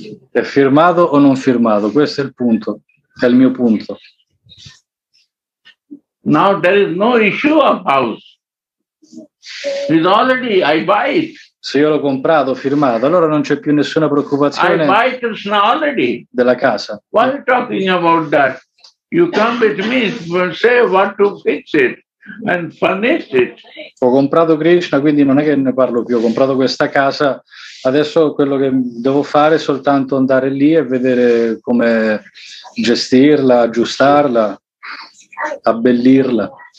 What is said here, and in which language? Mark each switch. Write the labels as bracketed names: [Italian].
[Italian] È firmato o non firmato? Questo è il punto. È il mio punto. [English] Now there is no issue of house. It's already, I buy it. [Italian] Se io l'ho comprato, firmato, allora non c'è più nessuna preoccupazione. [English] I buy it already. [Italian] Della casa. [English] Why are you talking about that? You come with me and say what to fix it and furnish it. [Italian] Ho comprato Krishna, quindi non è che ne parlo più. Ho comprato questa casa. Adesso quello che devo fare è soltanto andare lì e vedere come gestirla, aggiustarla, abbellirla.